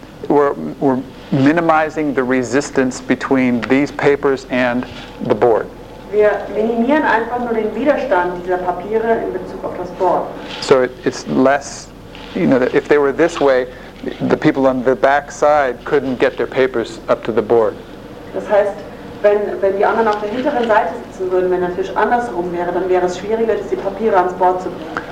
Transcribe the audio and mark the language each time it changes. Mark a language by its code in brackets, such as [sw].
[en] We're minimizing the resistance between these papers and the board. [de] Wir minimieren einfach nur den Widerstand dieser Papiere in Bezug auf das Board. [en] So it's less, you know, if they were this way, the people on the back side couldn't get their papers up to the board. [de] Das heißt, wenn die anderen auf der hinteren Seite sitzen würden, wenn der Tisch andersrum wäre, dann wäre es schwieriger, die Papiere ans Board zu bringen.